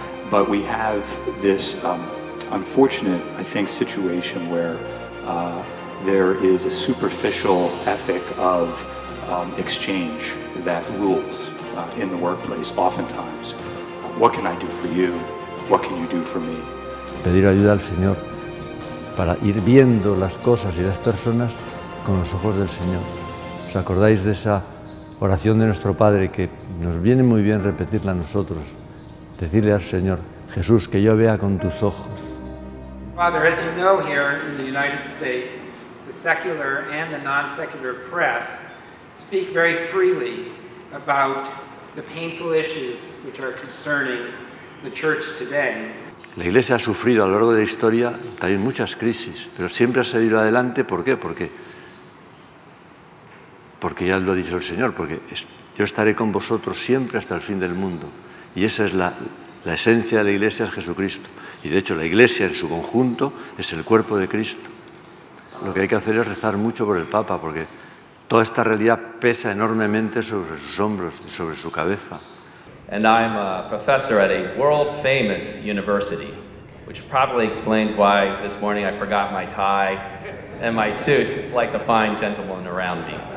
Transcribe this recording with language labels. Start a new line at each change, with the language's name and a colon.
English: But we have this unfortunate, I think, situation where there is a superficial ethic of exchange that rules in the workplace oftentimes. What can I do for you? What can you do for me?
Spanish: Pedir ayuda al Señor para ir viendo las cosas y las personas con los ojos del Señor. ¿Os acordáis de esa oración de nuestro Padre que nos viene muy bien repetirla a nosotros? Decirle al Señor, Jesús, que yo vea con tus ojos.
English: Father, as you know, here in the United States, the secular and the non-secular press speak very freely about the painful issues which are concerning the church today.
Spanish: La Iglesia ha sufrido a lo largo de la historia también muchas crisis, pero siempre ha salido adelante. ¿Por qué? Porque ya lo dice el Señor, porque yo estaré con vosotros siempre hasta el fin del mundo. Y esa es la esencia de la Iglesia, es Jesucristo. Y de hecho la Iglesia en su conjunto es el cuerpo de Cristo. Lo que hay que hacer es rezar mucho por el Papa, porque toda esta realidad pesa enormemente sobre sus hombros y sobre su cabeza.
English: And I'm a professor at a world famous university, which probably explains why this morning I forgot my tie and my suit like the fine gentleman around me.